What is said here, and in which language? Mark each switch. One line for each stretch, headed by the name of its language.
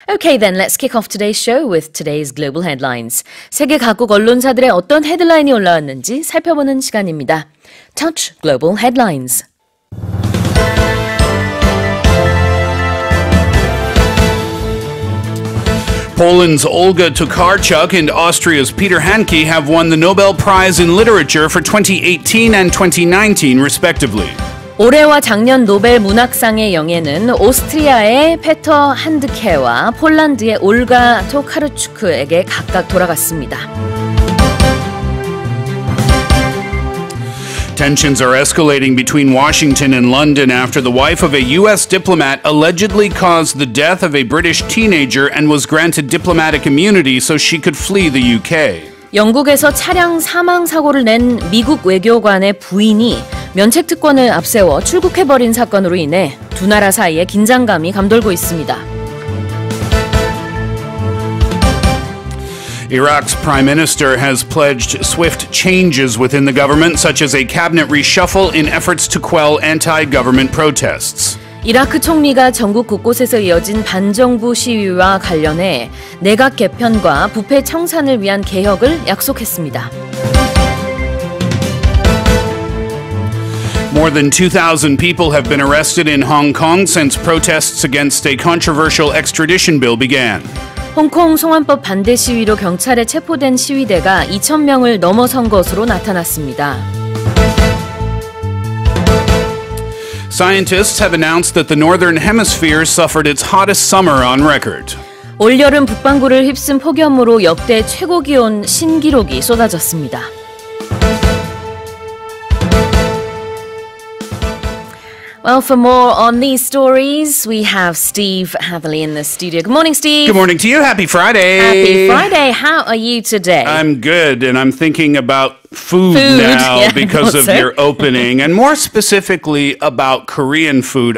English: Okay, then let's kick off today's show with today's global headlines.
Korean: 세계 각국 언론사들의 어떤 헤드라인이 올라왔는지 살펴보는 시간입니다.
English: Touch Global Headlines. Poland's Olga Tokarczuk and Austria's Peter Handke have won the Nobel Prize in Literature for 2018 and 2019, respectively.
Korean: 올해와 작년 노벨 문학상의 영예는 오스트리아의 페터 한드케와 폴란드의 올가 토카르추크에게 각각 돌아갔습니다.
English: Tensions are escalating between Washington and London after the wife of a U.S. diplomat allegedly caused the death of a British teenager and was granted diplomatic immunity so she could flee the U.K.
Korean: 영국에서 차량 사망 사고를 낸 미국 외교관의 부인이 면책특권을 앞세워 출국해버린 사건으로 인해 두 나라 사이에 긴장감이 감돌고 있습니다.
English: Iraq's Prime Minister has pledged swift changes within the government, such as a cabinet reshuffle in efforts to quell anti-government protests.
Korean: 이라크 총리가 전국 곳곳에서 이어진 반정부 시위와 관련해 내각 개편과 부패 청산을 위한 개혁을 약속했습니다.
English: More than 2,000 people have been arrested in Hong Kong since protests against a controversial extradition bill began.
Korean: 홍콩 송환법 반대 시위로 경찰에 체포된 시위대가 2,000명을 넘어선 것으로 나타났습니다.
English: Scientists have announced that the northern hemisphere suffered its hottest summer on record.
Korean: 올여름 북반구를 휩쓴 폭염으로 역대 최고 기온 신기록이 쏟아졌습니다.
English: Well, for more on these stories, we have Steve Hatherley in the studio. Good morning, Steve. Good morning to you. Happy Friday. Happy Friday. How are you today? I'm good, and I'm thinking about food now, yeah, because of your opening, and more specifically about Korean food.